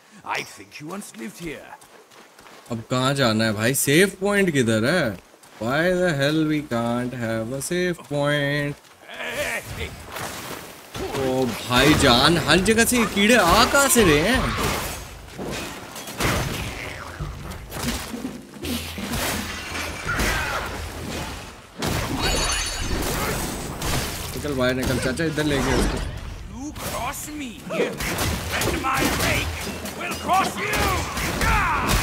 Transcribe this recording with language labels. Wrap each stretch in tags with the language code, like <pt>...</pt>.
<en>I think you once lived here.</en> <hi>अब कहाँ जाना है भाई? सेफ पॉइंट किधर है?</hi> <en>Why the hell we can't have a safe point?</en> <hi>ओ भाई जान, हर जगह से कीड़े आ कहाँ से रहे हैं? निकल भाई निकल, चाचा इधर ले गए उसको।</hi> <en>You cross me here and my fake will cross you.</en>